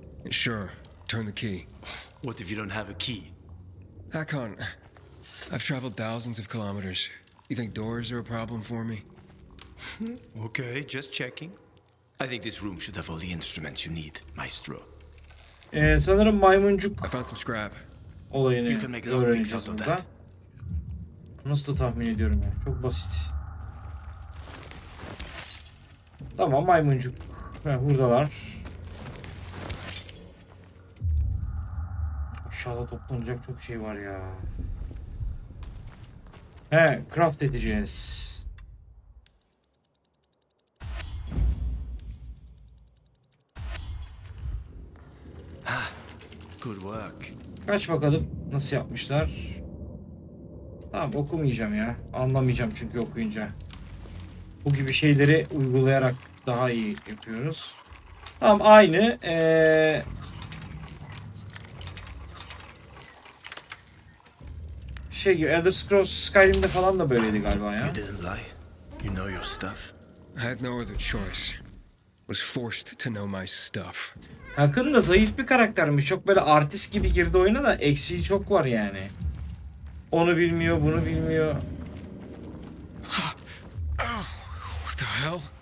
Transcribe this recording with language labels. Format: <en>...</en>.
<en>Sure. Turn the key. What if you don't have a key? Hakon, I've traveled thousands of kilometers. You think doors are a problem for me? Okay, just checking. I think this room should have all the instruments you need, maestro.</en> <tr>Sanırım maymuncuk.</tr> <en>I found some scrap.</en> <tr>Olayını öğreneceğiz burada. Nasıl tahmin ediyorum ya? Çok basit. Tamam maymuncuk. Hurdalar. Aşağıda toplanacak çok şey var ya. He, craft edeceğiz.</tr> <en>Good work.</en> <tr>Kaç bakalım nasıl yapmışlar. Tamam okumayacağım ya. Anlamayacağım çünkü okuyunca. Bu gibi şeyleri uygulayarak daha iyi yapıyoruz. Tamam aynı. Şey gibi Elder Scrolls Skyrim'de falan da böyleydi galiba ya.</tr> <en>You didn't lie. You know your stuff. I had no other choice. Was forced to know my stuff.</en> <tr>Hakan da zayıf bir karaktermiş. Çok böyle artist gibi girdi oyuna da eksiği çok var yani. Onu bilmiyor, bunu bilmiyor.</tr> <en>What the hell?</en>